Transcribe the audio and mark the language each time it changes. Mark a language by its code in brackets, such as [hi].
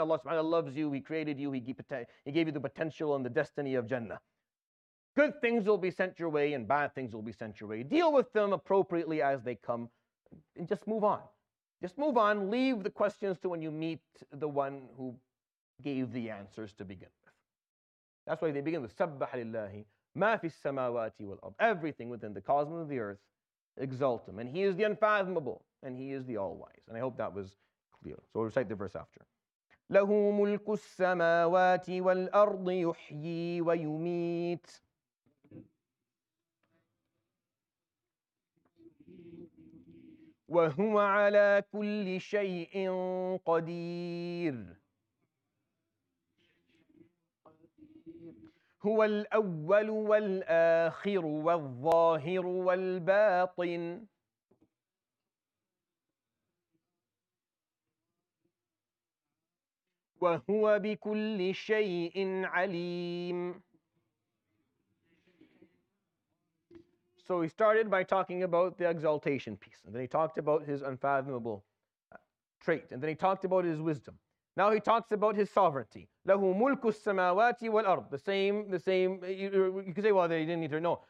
[en] Allah subhanahu wa ta'ala loves you. He created you. He gave you the potential and the destiny of Jannah. Good things will be sent your way and bad things will be sent your way. Deal with them appropriately as they come and just move on. Just move on. Leave the questions to when you meet the one who gave the answers to begin with. That's why they begin with [ar] سَبَّحَ لِلَّهِ مَا فِي السَّمَاوَاتِ وَالْأَرْضِ. [en] Everything within the cosmos of the earth, exalt him. And he is the unfathomable and he is the all-wise. And I hope that was clear. So we'll recite the verse after. [ar] لَهُ مُلْكُ السَّمَاوَاتِ وَالْأَرْضِ يُحْيِي وَيُمِيتِ. وهو على كل شيء قدير هو الأول والآخر والظاهر والباطن وهو بكل شيء عليم. [en] So he started by talking about the exaltation piece, and then he talked about his unfathomable trait, and then he talked about his wisdom. Now he talks about his sovereignty. [ar] لَهُ مُلْكُ السَّمَاوَاتِ وَالْأَرْضِ [en] The same, you could say, well, they didn't need to know.